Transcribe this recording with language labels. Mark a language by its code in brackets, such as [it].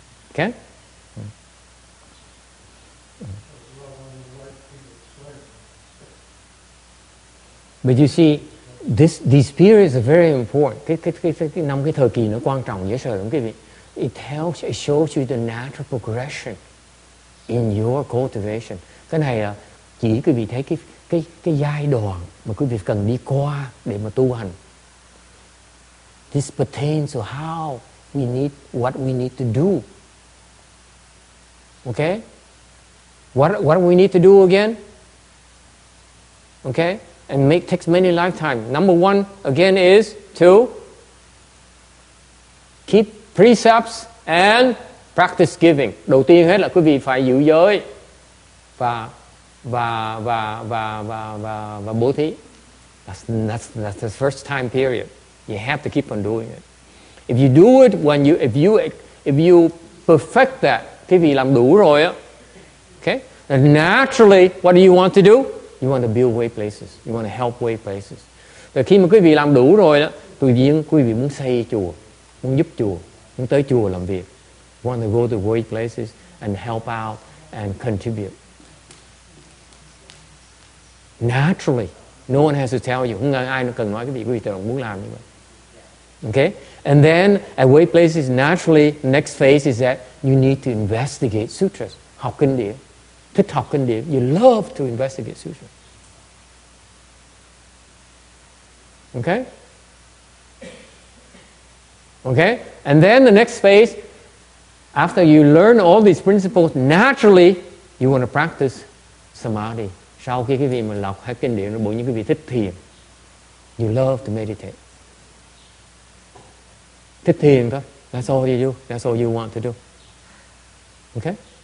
[en] Okay? But you see, this period is very important. [vi] Cái năm cái thời kỳ nó quan trọng dễ sợ lắm quý vị. [en] It shows you the natural progression in your cultivation. [vi] Cái này là chỉ quý vị thấy cái giai đoạn mà quý vị cần đi qua để mà tu hành. [en] This pertains to how we need, what we need to do. Okay? What we need to do again? Okay? And make takes many lifetimes. Number one again is to keep precepts and practice giving. [vi] Đầu tiên hết là quý vị phải giữ giới và bố thí. [en] That's the first time period. You have to keep on doing it. If you do it when you if you perfect that, [vi] quý vị làm đủ rồi á. [en] Okay? And naturally, what do you want to do? You want to build way places. You want to help way places. [vi] Rồi khi mà quý vị làm đủ rồi đó, tự nhiên quý vị muốn xây chùa, muốn giúp chùa, muốn tới chùa làm việc. [en] You want to go to way places and help out and contribute. Naturally, no one has to tell you. [vi] Không ai cần nói quý vị, quý vị tự động muốn làm như vậy. [en] Okay? And then at way places, naturally, next phase is that you need to investigate sutras. [vi] Học kinh điển. [en] To talk in there, you love to investigate sutra. Okay? Okay? And then the next phase, after you learn all these principles, naturally, you want to practice samadhi. [vi] Sau khi quý vị mà lọc hết kinh điển, bỗng nhiên quý vị thích thiền. [en] You love to meditate. [vi] Thích thiền thôi. [en] That's all you do. That's all you want to do. Okay?